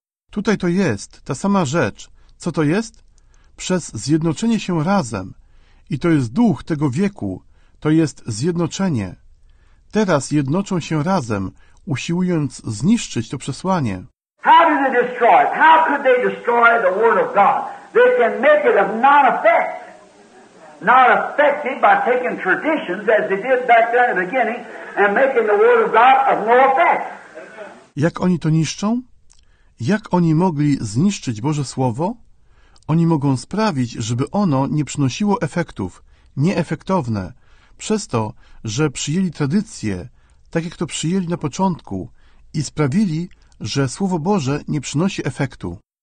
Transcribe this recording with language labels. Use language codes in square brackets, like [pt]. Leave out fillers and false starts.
[pl] Tutaj to jest, ta sama rzecz. Co to jest? Przez zjednoczenie się razem. I to jest duch tego wieku. To jest zjednoczenie. Teraz jednoczą się razem, usiłując zniszczyć to przesłanie. [en] How did they destroy it? How could they destroy the word of God? They can make it of non-effect. Not affected by taking traditions as they did back then in the beginning. And making the word of God of no effect. [pl] Jak oni to niszczą? Jak oni mogli zniszczyć Boże Słowo? Oni mogą sprawić, żeby ono nie przynosiło efektów, nieefektowne, przez to, że przyjęli tradycję, tak jak to przyjęli na początku, i sprawili, że Słowo Boże nie przynosi efektu.